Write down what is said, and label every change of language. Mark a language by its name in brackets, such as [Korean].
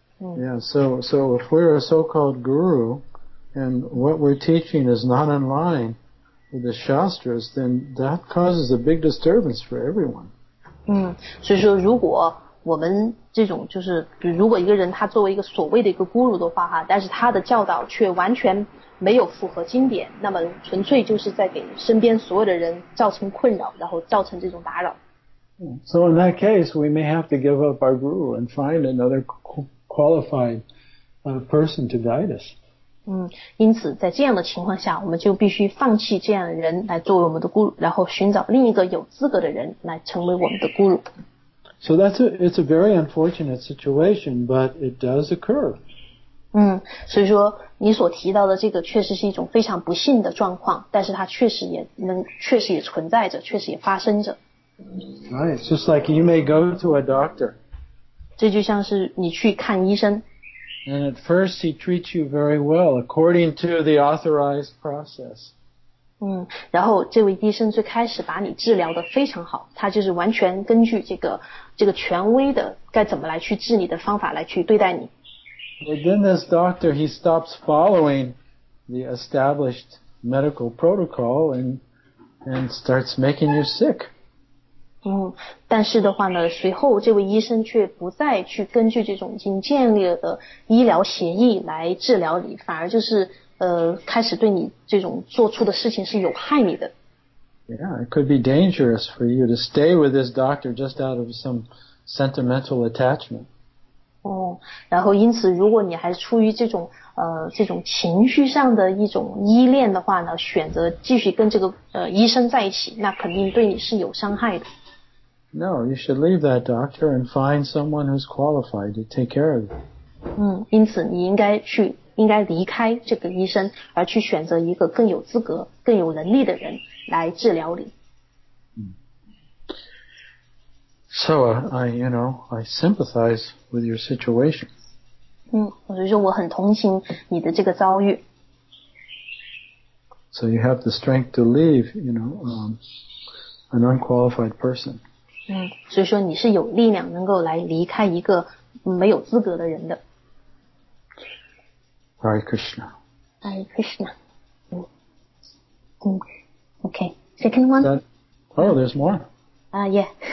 [English] Yeah, so if we're a so-called guru, and what we're teaching is not in line with the shastras, then that causes a big disturbance for everyone. [Chinese] 所以说如果我们这种就是如果一个人他作为一个所谓的一个 guru 的话，但是他的教导却完全没有符合经典，那么纯粹就是在给身边所有的人造成困扰，然后造成这种打扰。 [English] So in that case, we may have to give up our guru and find another qualified person to guide us. [Chinese] 因此在这样的情况下，我们就必须放弃这样的人来作为我们的 guru， 然后寻找另一个有资格的人来成为我们的 guru。 [English] So that's it's a very unfortunate situation, but it does occur. [Chinese] 所以说你所提到的这个确实是一种非常不幸的状况，但是它确实也存在着，确实也发生着。 [English] Right, it's just like you may go to a doctor. [Chinese] 这就像是你去看医生。 [English] And at first he treats you very well according to the authorized process. [Chinese] 然后这位医生最开始把你治疗得非常好，他就是完全根据这个权威的该怎么来去治你的方法来去对待你。 [English] But then this doctor, he stops following the established medical protocol and starts making you sick. [Chinese] 但是的话呢，随后这位医生却不再去根据这种已经建立了的医疗协议来治疗你，反而就是开始对你这种做出的事情是有害你的。 [English] Yeah, it could be dangerous for you to stay with this doctor just out of some sentimental attachment. [Chinese] 然后因此如果你还出于这种情绪上的一种依恋的话呢，选择继续跟这个医生在一起，那肯定对你是有伤害的。 [English] No, you should leave that doctor and find someone who's qualified to take care of you. [Chinese] 因此你应该离开这个医生，而去选择一个更有资格、更有能力的人来治疗你。 [English] So I sympathize with your situation. [Chinese] 所以说我很同情你的这个遭遇。 [English] So you have the strength to leave, an unqualified person. [Chinese] 所以说你是有力量能够来离开一个没有资格的人的。 [English] Hare Krishna. Hare Krishna. Okay, second one. There's more. Yeah.